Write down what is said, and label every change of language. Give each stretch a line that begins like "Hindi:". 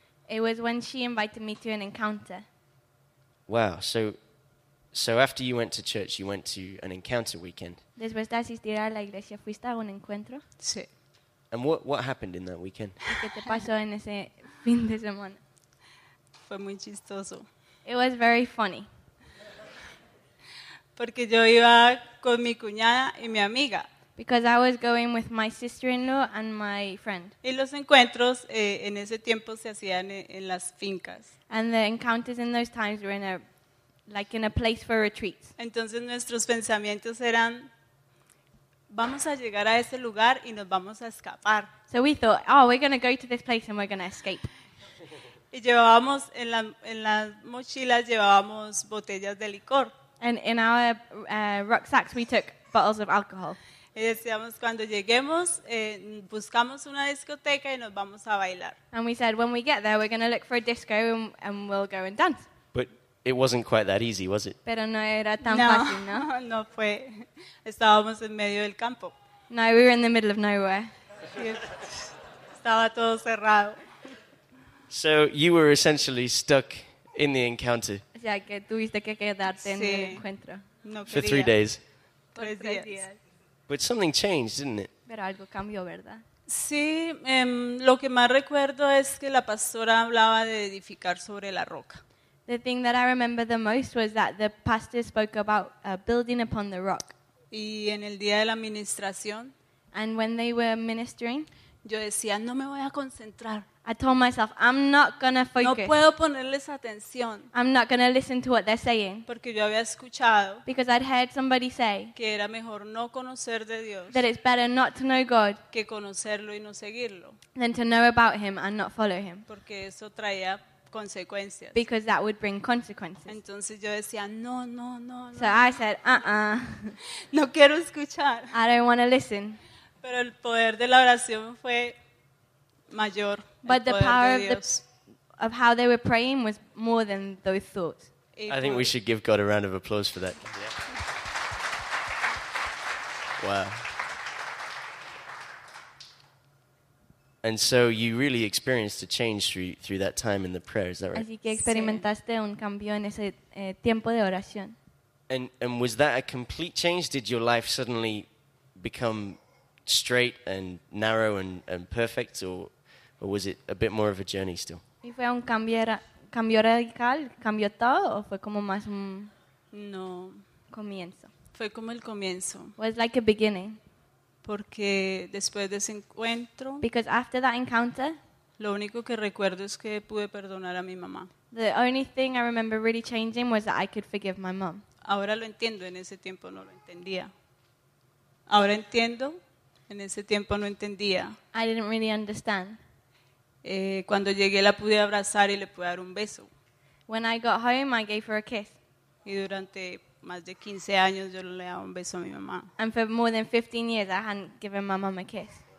English: It was when she invited me to an encounter. Wow, so after you went to church, you went to an encounter weekend.
Spanish: Después de asistir a la iglesia, ¿fuiste a un encuentro? Sí.
English: And what happened in that weekend?
Spanish: ¿Qué te pasó en ese fin de semana? Fue muy chistoso.
English: It was very funny.
Spanish: Porque yo iba con mi cuñada y mi amiga.
English: Because I was going with my sister-in-law and my friend.
Spanish: Y los encuentros en ese tiempo se hacían en las fincas.
English: And the encounters in those times were in a place for retreats.
Spanish: Entonces nuestros pensamientos eran, vamos a llegar a ese lugar y nos vamos a escapar.
English: So we thought, oh, we're going to go to this place and we're going to escape.
Spanish: Y llevábamos en las mochilas llevábamos botellas de licor.
English: And in our rucksacks, we took bottles of alcohol. And we said, when we get there, we're going to look for a disco and we'll go and dance. But it wasn't quite that easy, was it?
Spanish: Pero no era tan fácil, ¿no? No fue. Estábamos en medio del campo.
English: No, we were in the middle of nowhere.
Spanish: Estaba todo cerrado.
English: So you were essentially stuck in the encounter.
Spanish: O sea, que tuviste que quedarte en el encuentro.
English: No, for 3 days.
Spanish: Tres días.
English: But something changed, didn't it?
Spanish: Pero algo cambió, ¿verdad? Sí, lo que más recuerdo es que la pastora hablaba de edificar sobre la roca.
English: The thing that I remember the most was that the pastor spoke about building upon the rock.
Spanish: Y en el día de la administración.
English: And when they were ministering.
Spanish: Yo decía, no me voy a concentrar.
English: I told myself, I'm not going to focus.
Spanish: No puedo ponerles atención.
English: I'm not going to listen to what they're saying.
Spanish: Porque yo había escuchado.
English: Because I'd heard somebody say.
Spanish: Que era mejor no conocer de Dios.
English: That it's better not to know God.
Spanish: Que conocerlo y no seguirlo.
English: Than to know about him and not follow him.
Spanish: Porque eso traía consecuencias.
English: Because that would bring consequences.
Spanish: Entonces yo decía, no, no, no, no.
English: So I said,
Spanish: No quiero escuchar.
English: I don't want to listen.
Spanish: Pero el poder de la oración fue mayor.
English: But the power of how they were praying was more than those thoughts. I think we should give God a round of applause for that. Yeah. Wow. And so you really experienced a change through that time in the prayer, is that right?
Spanish: Así que experimentaste un cambio en ese tiempo de oración.
English: And was that a complete change? Did your life suddenly become straight and narrow and perfect, or was it a bit more of a journey still?
Spanish: ¿Y fue un cambio radical? ¿Cambió todo o fue como más un no comienzo? Fue como el comienzo.
English: Was like a beginning.
Spanish: Porque después de ese encuentro.
English: Because after that encounter.
Spanish: Lo único que recuerdo es que pude perdonar a mi mamá.
English: The only thing I remember really changing was that I could forgive my mom.
Spanish: Ahora lo entiendo, en ese tiempo no lo entendía. Ahora entiendo, en ese tiempo no entendía.
English: I didn't really understand.
Spanish: Cuando llegué la pude abrazar y le pude dar un beso.
English: When I got home, I gave her a kiss.
Spanish: Y durante más de 15 años yo le daba un beso a mi mamá.
English: And for more than 15 years I hadn't given my mom a kiss.